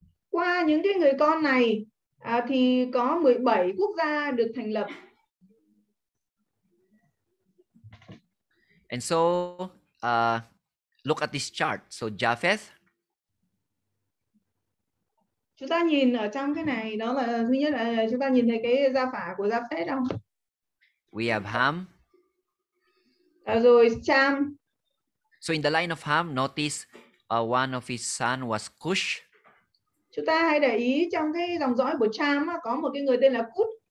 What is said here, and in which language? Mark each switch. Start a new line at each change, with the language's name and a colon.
Vietnamese: Qua những cái người con này thì có 17 quốc gia được thành lập.
English: And so, look at this chart. So, Japheth.
Vietnamese: Chúng ta nhìn ở trong cái này, đó là thứ nhất là chúng ta nhìn thấy cái gia phả của Japheth không?
English: We have Ham.
Vietnamese: Rồi Cham.
English: So, in the line of Ham, notice one of his son was Cush.
Vietnamese: Chúng ta hay để ý trong cái dòng dõi của Cham có một cái người tên là Cút.